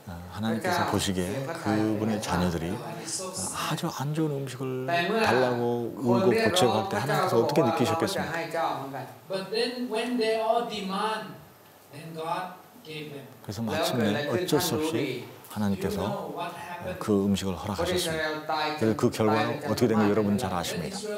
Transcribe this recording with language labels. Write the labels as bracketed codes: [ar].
[ko] 하나님께서 보시기에 그분의 자녀들이 아주 안 좋은 음식을 달라고 울고 고쳐갈 때 하나님께서 어떻게 느끼셨겠습니까? [en] But then when they all demand, then God gave them. [ko] 그래서 마침내 어쩔 수 없이 하나님께서 그 음식을 허락하셨습니다. 그래서 그 결과는 어떻게 된 거 여러분 잘 아십니다.